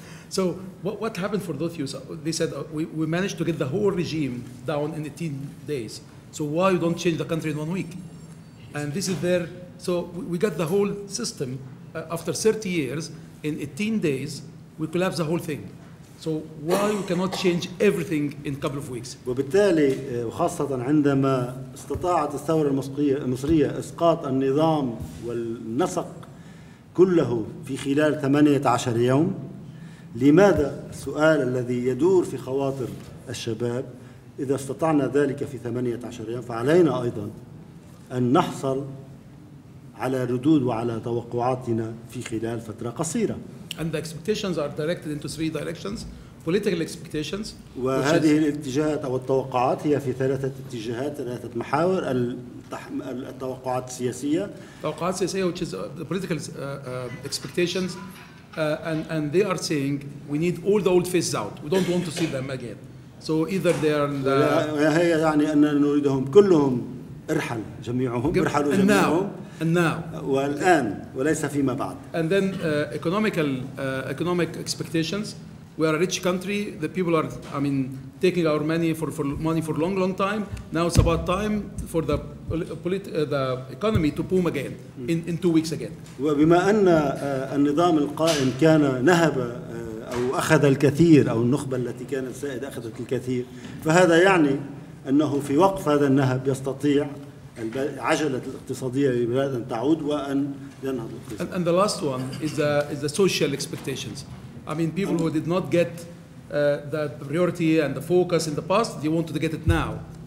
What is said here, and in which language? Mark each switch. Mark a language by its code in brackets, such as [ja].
[en] So what happened for those youths? They said we managed to get the whole regime down in 18 days. So why you don't change the country in one week? And this is their. So we got the whole system after 30 years in 18 days. We collapse the whole thing. So why you cannot change everything in a couple of weeks? [ar] وبالتالي وخاصة عندما استطاعت الثورة المصرية إسقاط النظام والنسق كله في خلال 18 يوم، لماذا السؤال الذي يدور في خواطر الشباب، إذا استطعنا ذلك في 18 يوم فعلينا أيضا أن نحصل على ردود وعلى توقعاتنا في خلال فترة قصيرة. [en] And the expectations are directed into three directions: political expectations. [ar] وهذه الاتجاهات أو التوقعات هي في ثلاثة اتجاهات، ثلاثة محاور: التوقعات السياسية. توقعات سياسية, [en] which is the political expectations, and they are saying we need all the old faces out. We don't want to see them again. So either they are. [ar] هي يعني أن نريدهم كلهم ارحل جميعهم. ارحلوا جميعهم. والآن وليس فيما بعد. [en] And then economic expectations. We are a rich country. The people are, I mean, taking our money for money for long, long time. Now it's about time for the the economy to boom again in two weeks again. [ar] وبما أن النظام القائم كان نهب أو أخذ الكثير أو النخبة التي كانت سائدة أخذت الكثير، فهذا يعني أنه في وقف هذا النهب يستطيع عجلة الاقتصادية لبلاد أن تعود وأن ينهض الاقتصاد. [en] And the last one is the social expectations. I mean, people who did not get the priority and the focus in the past, they wanted to get it now.